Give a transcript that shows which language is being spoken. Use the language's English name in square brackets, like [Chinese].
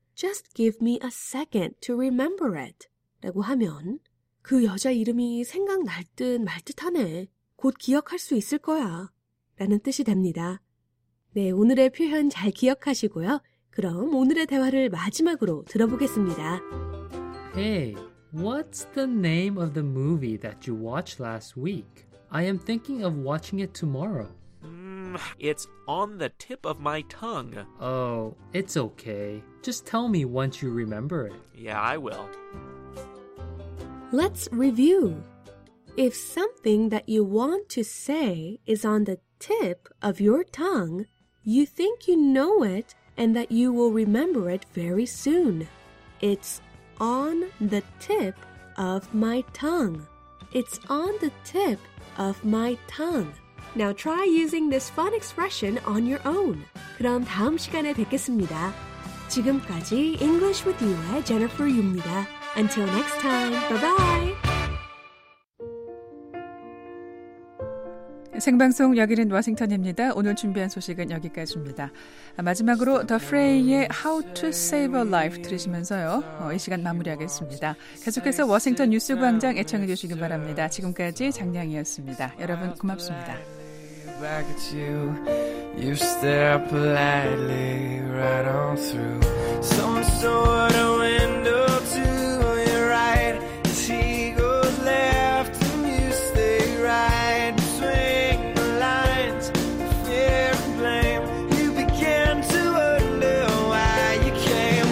[English] Just give me a second to remember it [Korean] 라고 하면 그 여자 이름이 생각 날 듯 말 듯하네. 곧 기억할 수 있을 거야 라는 뜻이 됩니다. 네, 오늘의 표현 잘 기억하시고요. 그럼 오늘의 대화를 마지막으로 들어보겠습니다. [English] Hey, what's the name of the movie that you watched last week? I am thinking of watching it tomorrow. It's on the tip of my tongue. Oh, it's okay. Just tell me once you remember it. Yeah, I will. Let's review. If something that you want to say is on the tip of your tongue, you think you know it and that you will remember it very soon. It's on the tip of my tongue. It's on the tip of my tongue. Now try using this fun expression on your own. [Korean] 그럼 다음 시간에 뵙겠습니다. 지금까지 English with You의 Jennifer Yu입니다. [English] Until next time, bye-bye! [Korean] 생방송 여기는 워싱턴입니다. 오늘 준비한 소식은 여기까지입니다. 마지막으로 더 프레이의 How to Save a Life 들으시면서요. 이 시간 마무리하겠습니다. 계속해서 워싱턴 뉴스 광장 애청해 주시기 바랍니다. 지금까지 장량이었습니다. 여러분 고맙습니다. [English] Back at you, you stare politely right on through. Some sort of window to your right, as he goes left and you stay right. Between the lines, fear and blame, you begin to wonder why you came.